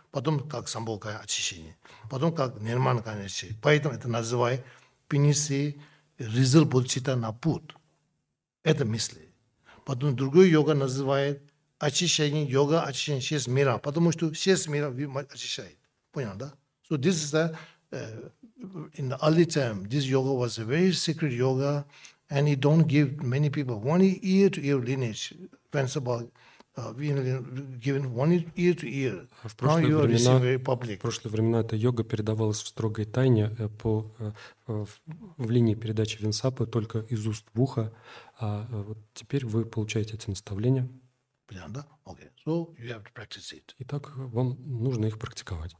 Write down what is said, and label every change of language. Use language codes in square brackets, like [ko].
[ru] Потом как самбхогакая очищение, потом как нирманакая очищение. Поэтому это называют принеси результат бодхичитты на путь. Это мысли. Потом другой йога называет очищение, йога очищение шесть мира, потому что шесть мира очищает. Понял, да? [en] So this is the, in the early time, this yoga was a very secret yoga, and it don't give many people, one ear to ear lineage, given one ear to ear. Now you are receiving very public. [ru] В прошлые времена эта йога передавалась в строгой тайне в линии передачи Венсапы только из уст в ухо, а вот теперь вы получаете эти наставления. Понятно, да? [en] Okay. So you have to practice it. [ru] Итак, вам нужно их практиковать.